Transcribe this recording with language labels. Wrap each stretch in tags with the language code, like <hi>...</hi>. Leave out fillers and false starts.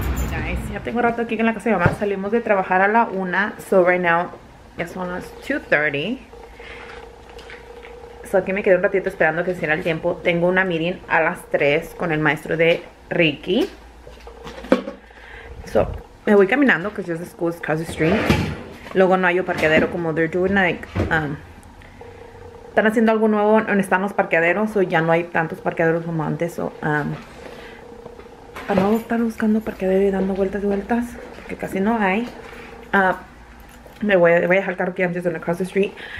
<es>Guys, ya tengo rato aquí en la casa de mamá. Salimos de trabajar a la 1.</es> <en>So right now,</en> <es>ya son las 2:30. So aquí me quedé un ratito esperando que se hiciera el tiempo. Tengo una meeting a las 3 con el maestro de Ricky.</es> <en>So,</en> <es>me voy caminando</es> <en>because the school is across the street.</en> <es>Luego no hay un parqueadero como</es> <en>they're doing like,</en> <es>están haciendo algo nuevo donde están los parqueaderos, o ya no hay tantos parqueaderos como antes. So, para no estar buscando parqueadero y dando vueltas y vueltas, porque casi no hay, me voy a dejar el carro aquí antes de</es> <en>across the street.</en>